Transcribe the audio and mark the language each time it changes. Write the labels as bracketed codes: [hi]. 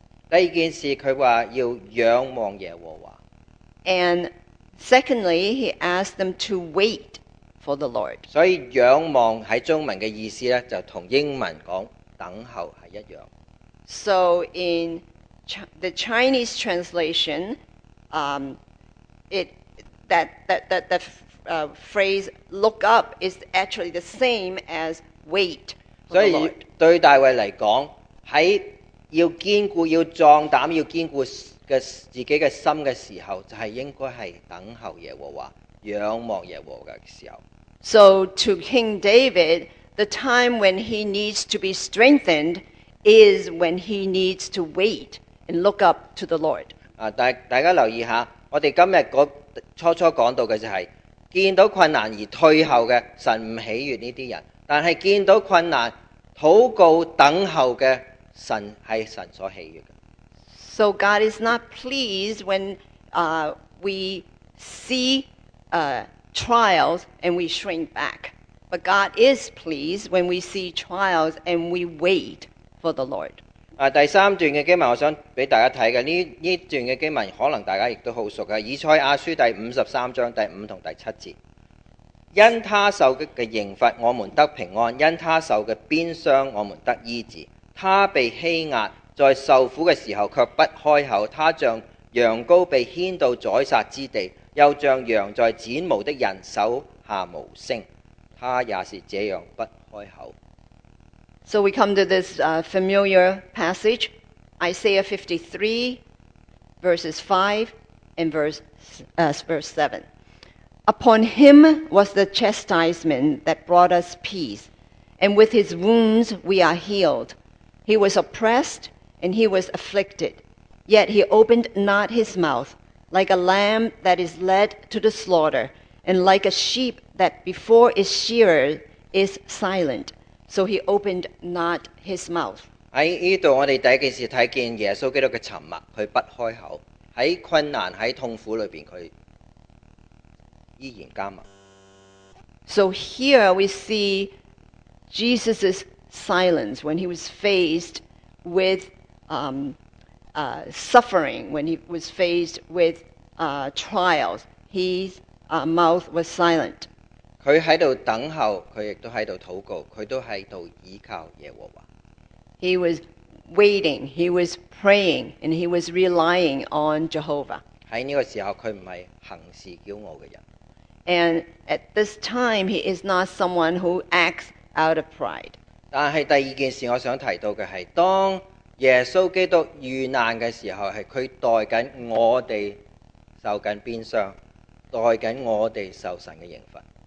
[zh] 第二件事，他说要仰望耶和华。 [en] And secondly, he asked them to wait for the Lord. [zh] 所以仰望在中文的意思呢，就跟英文说等候是一样。 [en] So in the Chinese translation, phrase look up is actually the same as wait for the Lord. [zh] 所以对大卫来说，在要坚固、要壮胆、要坚固自己的心的时候，就是应该是等候耶和华、仰望耶和华的时候。 [en] So to King David, the time when he needs to be strengthened is when he needs to wait and look up to the Lord. [zh] 大家留意一下，我们今天初初讲到的就是，见到困难而退后的，神不喜悦这些人；但是见到困难、祷告、等候的，神是神所喜悦的。 [en] So God is not pleased when we see trials and we shrink back. But God is pleased when we see trials and we wait for the Lord. [zh] 第三段的经文我想给大家看的，这段的经文可能大家也都很熟的，以赛亚书第53章第5和第7节。因他受的刑罚我们得平安，因他受的鞭伤我们得医治。他被欺压，在受苦的时候却不开口，他像羊羔被牵到宰杀之地，又像羊在剪毛的人手下无声，他也是这样不开口。 [en] So we come to this familiar passage, Isaiah 53, verses 5 and verse 7. Upon him was the chastisement that brought us peace, and with his wounds we are healed. He was oppressed and he was afflicted, yet he opened not his mouth, like a lamb that is led to the slaughter, and like a sheep that before its shearer is silent. So he opened not his mouth. [zh] 在这里我们第一件事看见耶稣基督的沉默，他不开口，在困难，在痛苦里面，他依然缄默。 [en] So here we see Jesus' silence when he was faced with suffering, when he was faced with trials. His mouth was silent. [zh] 他在这里等候，他也在这里祷告，他都在这里倚靠耶和华。 [en] He was waiting, he was praying, and he was relying on Jehovah. [zh] 在这个时候，他不是行事骄傲的人。 [en] And at this time, he is not someone who acts out of pride. [zh] 但是第二件事我想提到的是，当耶稣基督遇难的时候，是他代着我们受着鞭伤，代着我们受神的刑罚。